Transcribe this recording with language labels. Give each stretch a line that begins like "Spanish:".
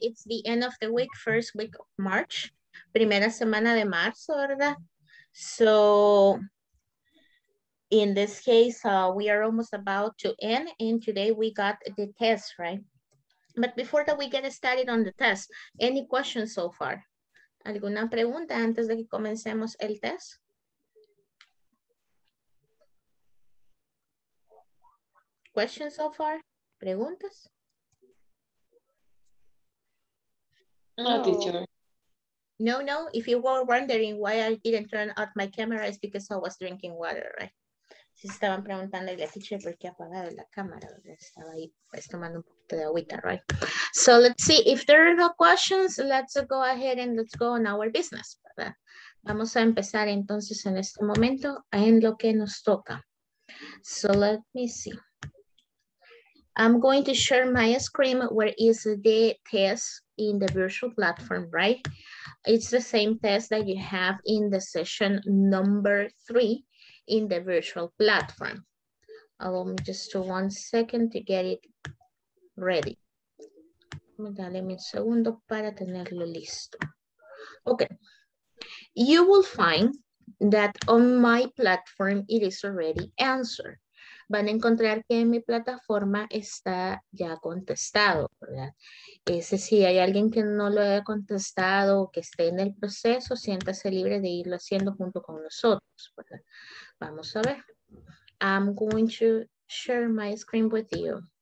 English: It's the end of the week, first week of March.
Spanish: Primera semana de marzo, ¿verdad?
English: So in this case, we are almost about to end and today we got the test, right? But before that we get started on the test, any questions so far?
Spanish: ¿Alguna pregunta antes de que comencemos el test?
English: Questions so far?
Spanish: ¿Preguntas?
English: No, teacher. No, no. If you were wondering why I didn't turn off my camera, it's because I was drinking water, right?
Spanish: Si estaban preguntando a la teacher por qué apagaron la cámara, estaba ahí pues tomando un poquito de agüita, right?
English: So let's see if there are no questions, let's go ahead and let's go on our business.
Spanish: ¿Verdad? Vamos a empezar entonces en este momento en lo que nos toca.
English: So let me see. I'm going to share my screen where is the test in the virtual platform, right? It's the same test that you have in the session number 3 in the virtual platform. Allow me just 1 second to get it ready.
Spanish: Dale un segundo para tenerlo listo. Okay.
English: You will find that on my platform it is already answered.
Spanish: Van a encontrar que en mi plataforma está ya contestado, ¿verdad? Ese, si hay alguien que no lo haya contestado o que esté en el proceso, siéntase libre de irlo haciendo junto con nosotros, ¿verdad? Vamos a ver.
English: I'm going to share my screen with you.